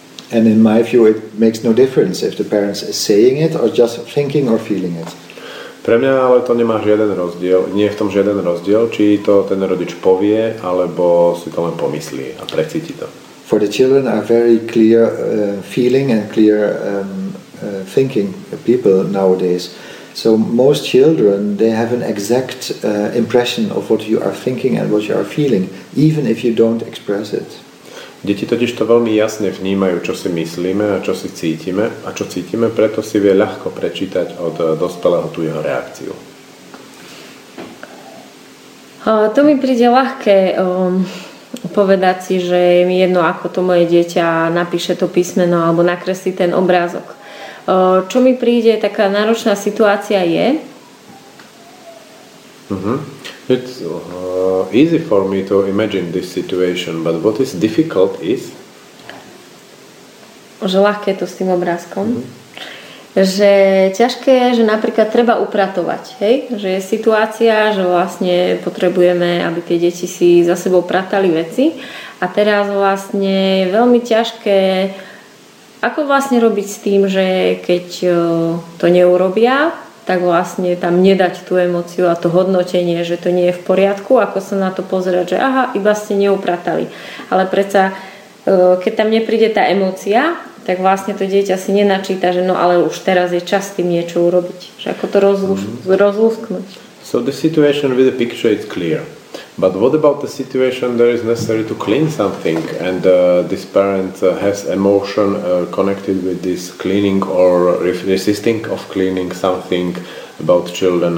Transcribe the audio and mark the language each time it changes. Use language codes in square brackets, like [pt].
[en] And in my view it makes no difference if the parents are saying it or just thinking or feeling it. [sk] Pre mňa ale to nemá žiaden rozdiel, nie je v tom žiaden rozdiel, či to ten rodič povie, alebo si to len pomyslí a precíti to. [en] For the children are very clear feeling and clear thinking people nowadays. So most children, they have an exact impression of what you are thinking and what you are feeling, even if you don't express it. [sk] Deti totiž to veľmi jasne vnímajú, čo si myslíme a čo si cítime, a čo cítime, preto si vie ľahko prečítať od dospelého tú jeho reakciu. To mi príde ľahké povedať si, že je mi jedno, ako to moje dieťa napíše to písmeno alebo nakreslí ten obrázok. Čo mi príde, taká náročná situácia je? [en] It's easy for me to imagine this situation, but what is difficult is... [sk] Že ľahké to s tým obrázkom. Že ťažké je, že napríklad treba upratovať, hej? Že je situácia, že vlastne potrebujeme, aby tie deti si za sebou pratali veci. A teraz vlastne je veľmi ťažké, ako vlastne robiť s tým, že keď to neurobia, tak vlastne tam nedať tú emóciu a to hodnotenie, že to nie je v poriadku, ako sa na to pozerať, že aha, iba ste neupratali. Ale predsa, keď tam nepríde tá emócia, tak vlastne to dieťa si nenačíta, že no ale už teraz je čas tým niečo urobiť. Že ako to rozlúsknuť. [en] So the situation with the picture is clear. But what about the situation there is necessary to clean something and this parent has emotion connected with this cleaning or resisting of cleaning something about children.